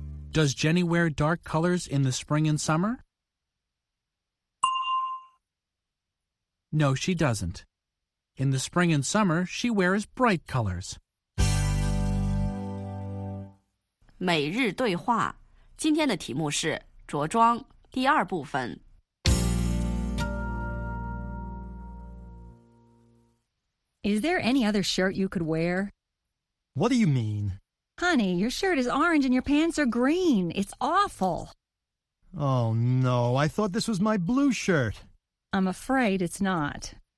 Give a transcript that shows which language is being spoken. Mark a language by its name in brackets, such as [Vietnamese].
[English] Does Jenny wear dark colors in the spring and summer? No, she doesn't. In the spring and summer, she wears bright colors. [Chinese] 每日对话，今天的题目是着装，第二部分。 [English] Is there any other shirt you could wear? What do you mean? Honey, your shirt is orange and your pants are green. It's awful. Oh, no. I thought this was my blue shirt. I'm afraid it's not.